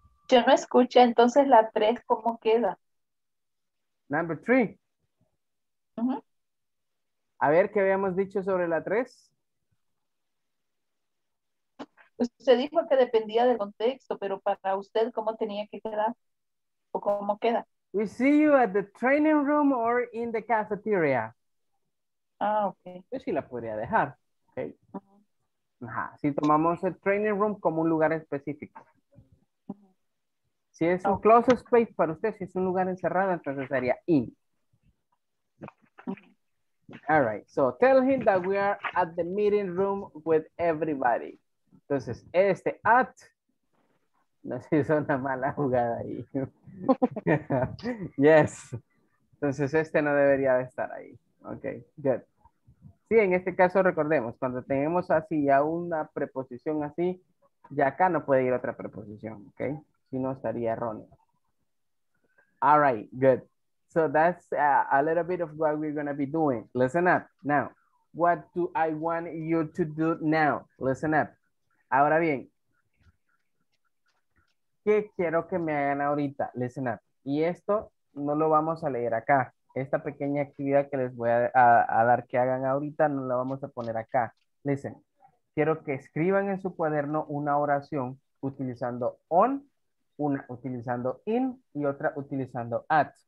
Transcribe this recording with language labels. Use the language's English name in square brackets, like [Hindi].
[Spanish] Yo no escuché, entonces la 3, ¿cómo queda? [English] Number 3. [Spanish] Uh-huh. A ver, ¿qué habíamos dicho sobre la 3? Usted dijo que dependía del contexto, pero para usted, ¿cómo tenía que quedar? ¿O cómo queda? [English] We see you at the training room or in the cafeteria. Ah, ok. [Spanish] Yo sí la podría dejar. Ok. Uh-huh. Ajá. Si tomamos el training room como un lugar específico. Si es un [English] closed space [Spanish] para usted, si es un lugar encerrado, entonces sería in. Uh-huh. [English] All right. So, tell him that we are at the meeting room with everybody. [Spanish] Entonces, este at... Nos hizo una mala jugada ahí. [English] Yes. [Spanish] Entonces este no debería de estar ahí. [English] Ok, good. [Spanish] Sí, en este caso recordemos, cuando tenemos así ya una preposición así, ya acá no puede ir otra preposición, ok. Si no, estaría erróneo. [English] All right, good. So that's a little bit of what we're going to be doing. Listen up. Now, what do I want you to do now? Listen up. [Spanish] Ahora bien, ¿qué quiero que me hagan ahorita? [English] Listen up. [Spanish] Y esto no lo vamos a leer acá. Esta pequeña actividad que les voy a dar que hagan ahorita no la vamos a poner acá. [English] Listen. [Spanish] quiero que escriban en su cuaderno una oración utilizando on, una utilizando in y otra utilizando at.